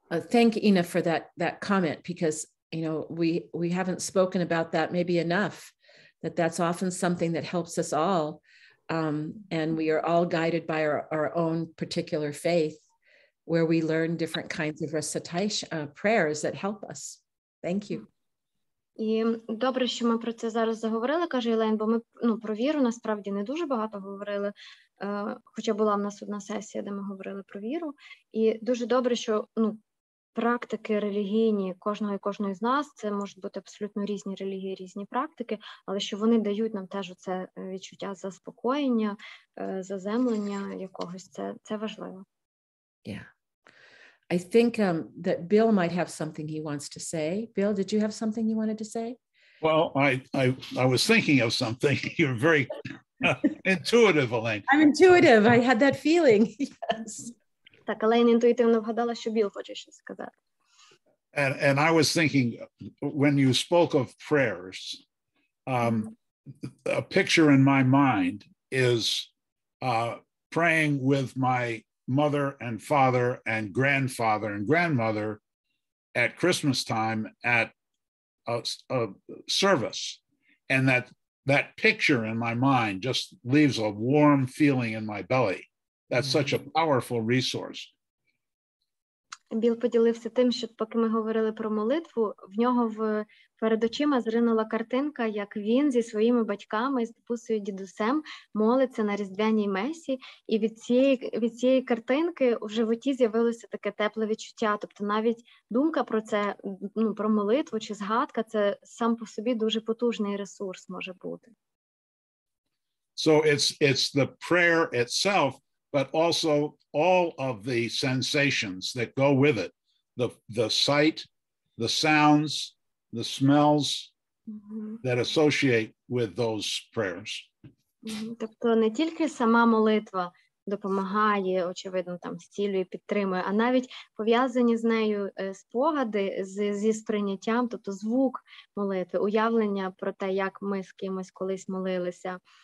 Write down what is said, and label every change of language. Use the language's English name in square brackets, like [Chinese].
[English] Thank Inna for that comment, because you know we haven't spoken about that maybe enough, that's often something that helps us all, and we are all guided by our own particular faith, where we learn different kinds of recitation prayers that help us. Thank you. [Ukrainian] І добре, що ми про це зараз заговорили, каже Елен, бо ми, ну, про віру насправді не дуже багато говорили, хоча була в нас одна сесія, де ми говорили про віру, і дуже добре, що, ну, практики релігійні кожного і кожної з нас, це можуть бути абсолютно різні релігії, різні практики, але що вони дають нам теж оце відчуття заспокоєння, заземлення якогось, це важливо. [English] Yeah, I think that Bill might have something he wants to say. Bill, did you have something you wanted to say? Well, I was thinking of something. You're very intuitive, Elaine. I'm intuitive. I had that feeling. Yes. [Ukrainian] Так, але я інтуїтивно вгадала, що Біл хоче щось сказати. [English] And I was thinking, when you spoke of prayers, a picture in my mind is praying with my mother and father and grandfather and grandmother at Christmas time at a service. And that picture in my mind just leaves a warm feeling in my belly. That's such a powerful resource. [Ukrainian] Біл поділився тим, що поки ми говорили про молитву, в нього перед очима зринула картинка, як він зі своїми батьками, з бабусею, дідусем молиться на різдвяній месі, і від цієї картинки у животі з'явилося таке тепле відчуття, тобто навіть думка про це, ну, про молитву чи згадка, це сам по собі дуже потужний ресурс може бути. [English] So it's the prayer itself, but also all of the sensations that go with it, the sight, the sounds, the smells that associate with those prayers. [Ukrainian] Тобто не тільки сама молитва допомагає, очевидно, там зцілює, підтримує, а навіть пов'язані з нею спогади зі сприйняттям, тобто звук молитви, уявлення про те, як ми з кимось колись молилися.